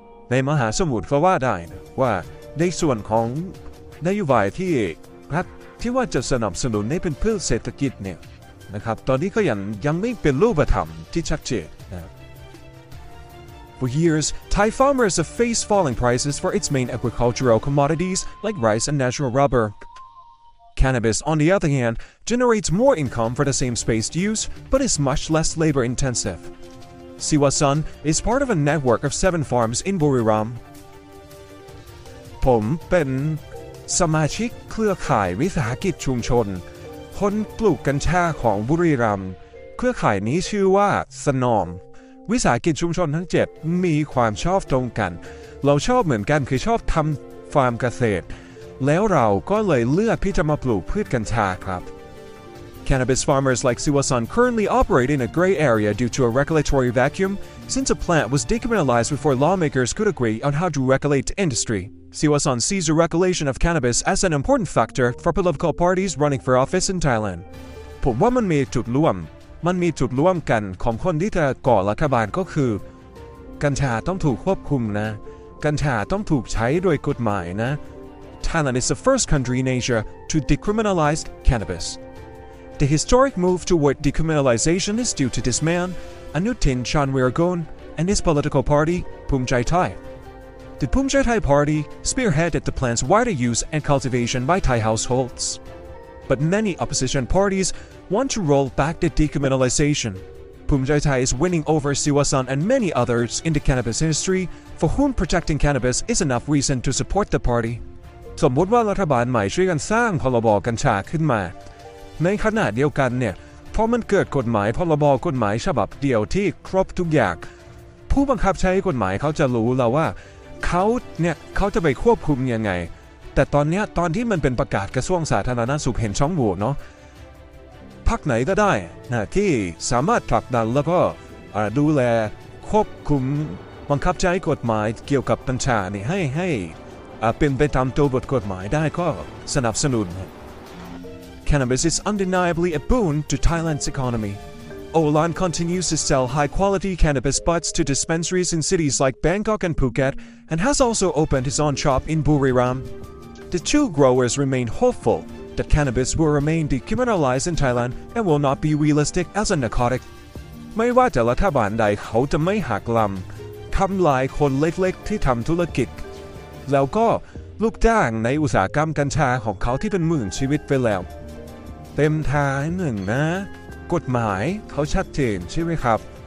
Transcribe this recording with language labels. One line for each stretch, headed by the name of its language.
Thai: ในมหาสมุทรก็ว่าได้นะว่าในส่วนของนโยบายที่ว่าจะสนับสนุนให้เป็นพืชเศรษฐกิจเนี่ยนะครับตอนนี้ก็ยังไม่เป็นรูปธรรมที่ชัดเจนนะ
English: For years, Thai farmers have faced falling prices for its main agricultural commodities like rice and natural rubber. Cannabis, on the other hand, generates more income for the same space to use, but is much less labor intensive. Siwa Sun is part of a network of 7 farms in Buriram.
Thai: ผมเป็นสมาชิกเครือข่ายวิสาหกิจชุมชนคนปลูกกัญชาของบุรีรัมย์เครือข่ายนี้ชื่อว่าสนอมวิสาหกิจชุมชนทั้ง7มีความชอบตรงกันเราชอบเหมือนกันคือชอบทำฟาร์มเกษตรแล้วเราก็เลยเลือกที่จะมาปลูกพืชกัญชาครับ
English: Cannabis farmers like Siwasan currently operate in a gray area due to a regulatory vacuum, since a plant was decriminalized before lawmakers could agree on how to regulate industry. Siwasan sees the regulation of cannabis as an important factor for political parties running for office in Thailand.
Thai: ผมว่ามันมีจุดร่วมกันของคนที่จะก่อรัฐบาลก็คือกัญชาต้องถูกควบคุมนะกัญชาต้องถูกใช้ด้วยกฎหมายนะ
English: Thailand is the first country in Asia to decriminalize cannabis. The historic move toward decriminalization is due to this man, Anutin Chanwiragun, and his political party, Phum Chai Thai. The Phum Chai Thai party spearheaded the plant's wider use and cultivation by Thai households. But many opposition parties want to roll back the decriminalization. Phum Chai Thai is winning over Siwasan and many others in the cannabis industry, for whom protecting cannabis is enough reason to support the party.
Thai: สมมติว่ารัฐบาลใหม่ช่วยกันสร้างพรบ.กัญชาขึ้นมาในขณะเดียวกันเนี่ยพอมันเกิดกฎหมายพรบ. กฎหมายฉบับเดียวที่ครบทุกอย่างผู้บังคับใช้กฎหมายเขาจะรู้แล้วว่าเขาเนี่ยเขาจะไปควบคุมยังไงแต่ตอนนี้ตอนที่มันเป็นประกาศกระทรวงสาธารณสุขเห็นช่องโหว่เนาะพรรคไหนก็ได้นะที่สามารถผลักดันแล้วก็ดูแลควบคุมบังคับใช้กฎหมายเกี่ยวกับกัญชานี่ให้เป็นไปตามตัวบทกฎหมายได้ก็สนับสนุน
English: Cannabis is undeniably a boon to Thailand's economy. Olan continues to sell high-quality cannabis butts to dispensaries in cities like Bangkok and Phuket, and has also opened his own shop in Buriram. The two growers remain hopeful that that cannabis will remain decriminalized in Thailand and will not be realistic as a narcotic.
Thai: ไม่ว่าจะรัฐบาลใดเขาจะไม่หักลำทำลายคนเล็กๆที่ทำธุรกิจแล้วก็ลูกจ้างในอุตสาหกรรมกัญชาของเขาที่เป็นหมื่นชีวิตไปแล้วเต็มท้ายหนึ่งนะกฎหมายเขาชัดเจนใช่ไหมครับ